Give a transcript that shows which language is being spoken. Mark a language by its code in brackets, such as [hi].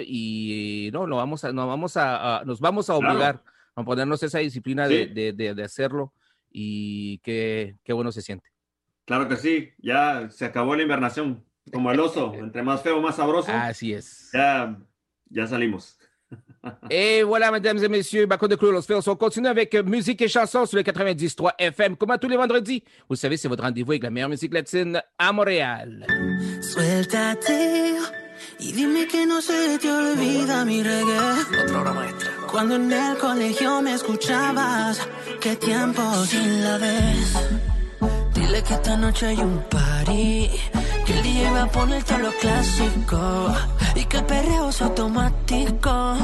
[es] Y no, nos vamos a obligar, claro, a ponernos esa disciplina, sí, de hacerlo. Y qué bueno se siente. Claro que sí, ya se acabó la invernación, como el oso, entre más feo, más sabroso. Así es. Ya salimos. [fr] Et voilà, mesdames et messieurs, Macondo Club de los Feos, on continue avec musique et chansons sur le 90.3 FM, comme à tous les vendredis. Vous savez, c'est votre rendez-vous avec la meilleure musique latine à Montréal. [es] Suéltate y dime que no se te olvida mi reggae. Otra hora maestra. Cuando en el colegio me escuchabas, qué tiempo sin la vez. Dile que esta noche hay un party, que el DJ va a poner todo lo clásico y que el perreo es automático.